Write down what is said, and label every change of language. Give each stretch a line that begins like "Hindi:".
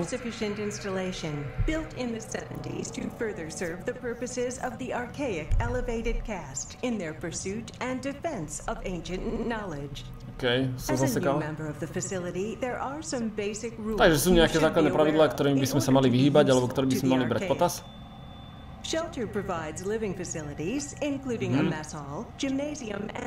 English: Self-sufficient installation built in the 70s to further serve the purposes of the archaic elevated caste in their pursuit and defense of ancient knowledge.
Slovak: Okay, som zasekal.
English: As a new member of the facility, there are some basic rules.
Slovak: Takže sú nejaké základné pravidlá, ktorými by sme sa mali vyhýbať alebo ktoré by sme mali brať potaz.
English: Shelter provides living facilities, including a mess hall, gymnasium and...